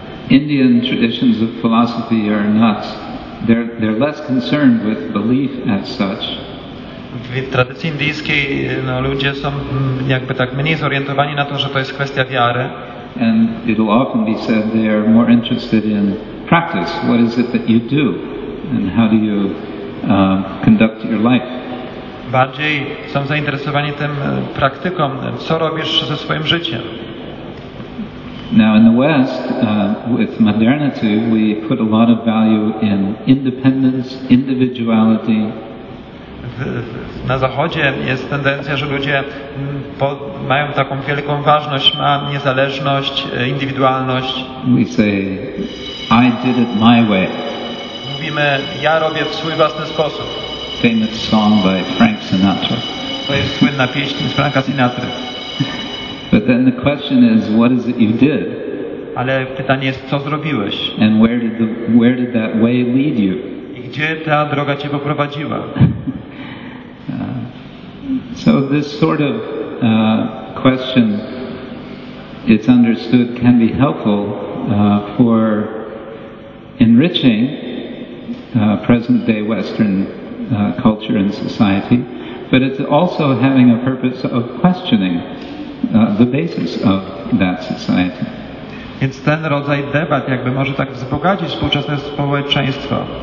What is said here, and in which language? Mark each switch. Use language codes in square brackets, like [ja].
[en] Indian traditions of philosophy are not, they're less concerned with belief as such. [pl] W tradycji indyjskiej no, ludzie są jakby tak mniej zorientowani na to, że to jest kwestia wiary. [en] And it will often be said they are more interested in practice. What is it that you do? And how do you conduct your life? [pl] Bardziej są zainteresowani tym praktyką, co robisz ze swoim życiem. [en] Now in the West, with modernity, we put a lot of value in independence, individuality. [pl] Na Zachodzie jest tendencja, że ludzie mają taką wielką ważność, ma niezależność, indywidualność. [en] We say, I did it my way. [pl] Mówimy, ja robię w swój własny sposób. [en] Famous song by Frank Sinatra. [pl] To jest słynna pieśń z Franka Sinatry. [en] But then the question is, what is it you did? [pl] Ale pytanie jest, co zrobiłeś? [en] And where did that way lead you? [pl] I gdzie ta droga cię poprowadziła? [en] So this sort of question, it's understood, can be helpful for enriching present-day Western culture and society, but it's also having a purpose of questioning the basis of that society. [pl] Więc ten rodzaj debat jakby może tak wzbogacić współczesne społeczeństwo.